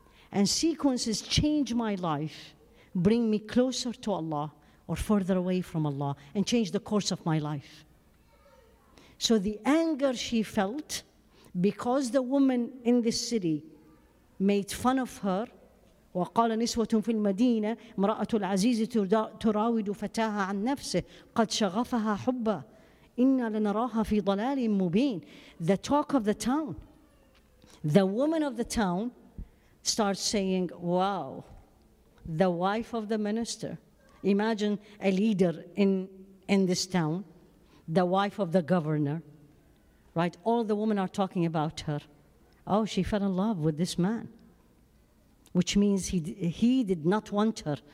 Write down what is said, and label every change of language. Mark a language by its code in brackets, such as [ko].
[en] And sequences change my life, bring me closer to Allah or further away from Allah, and change the course of my life. So the anger she felt because the woman in this city made fun of her. [ar] وقال نسوة في المدينة امرأة العزيز تراود فتاها عن نفسه قد شغفها حبا إن لنراها في ضلال مبين. [en] The talk of the town, the woman of the town starts saying, wow, the wife of the minister, imagine a leader in this town, the wife of the governor, right? All the women are talking about her. Oh, she fell in love with this man, which means he did not want her.